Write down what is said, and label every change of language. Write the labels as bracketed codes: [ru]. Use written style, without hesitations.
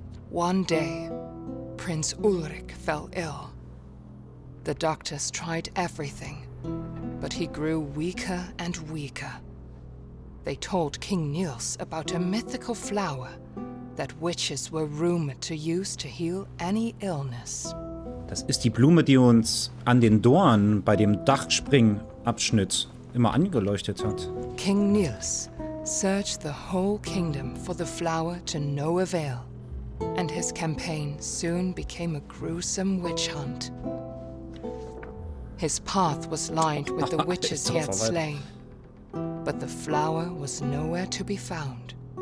[en] One day, Prince Ulrich fell ill. The doctors tried everything, but he grew weaker and weaker. They told King Nils about a mythical flower that witches were rumored to use to heal any illness. [de] Das ist die Blume, die uns an den Dorn bei dem Dachspringabschnitt immer angeleuchtet hat. [en] King Nils searched the whole kingdom for the flower to no avail, and his campaign soon became a gruesome witch hunt. His path was lined with the witches he had slain, but the flower was nowhere to be found.